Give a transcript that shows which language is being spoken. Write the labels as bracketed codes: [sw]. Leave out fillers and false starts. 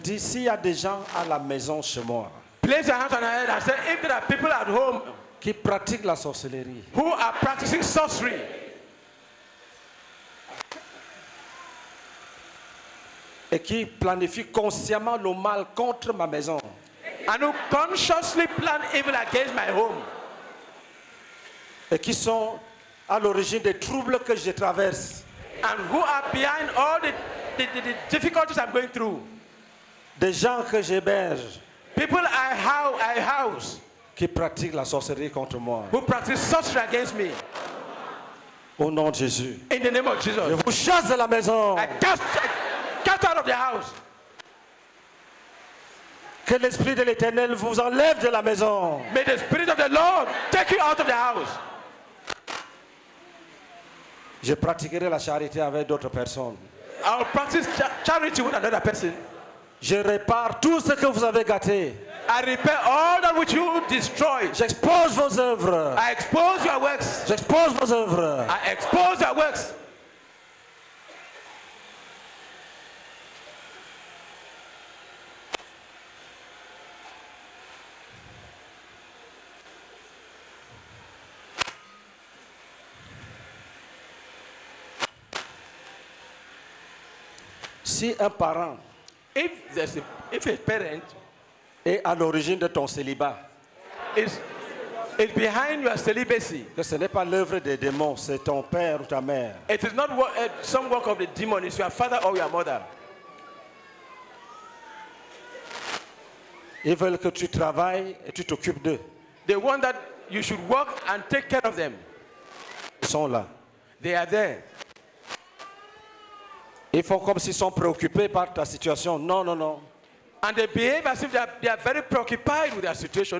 [fr] Dis s'il y a des gens à la maison chez moi. [en] Place your hands on your head and say if there are people at home [fr] qui pratiquent la sorcellerie. [en] Who are practicing sorcery? [fr] Et qui planifie consciemment le mal contre ma maison. [en] And who consciously plan evil against my home. [fr] Et qui sont à l'origine des troubles que je traverse. [en] And who are behind all the difficulties I'm going through. [fr] Des gens que j'héberge. [en] People I house. [fr] Qui pratiquent la sorcellerie contre moi. [en] Who practice sorcery against me. [fr] Au nom de Jésus. [en] In the name of Jesus. [fr] Je vous chasse de la maison. [en] Get out of the house. [fr] Que l'esprit de l'Éternel vous enlève de la maison. [en] May the spirit of the Lord take you out of the house. [fr] Je pratiquerai la charité avec d'autres personnes. [en] I'll practice charity with another person. [fr] Je répare tout ce que vous avez gâté. [en] I repair all that which you destroyed. [fr] J'expose vos œuvres. [en] I expose your works. [fr] J'expose vos œuvres. [en] I expose your works. [fr] Si un parent [en] if a parent [fr] est à l'origine de ton célibat, [en] is behind your celibacy, [fr] que ce n'est pas l'œuvre des démons, c'est ton père ou ta mère. [en] It is not some work of the demon, it's your father or your mother. [fr] Ils veulent que tu travailles et tu t'occupes d'eux. [en] They want that you should work and take care of them. [fr] Ils sont là. [en] They are there. [fr] Ils font comme s'ils sont préoccupés par ta situation. Non, non, non. [en] And they behave as if they are very preoccupied with their situation.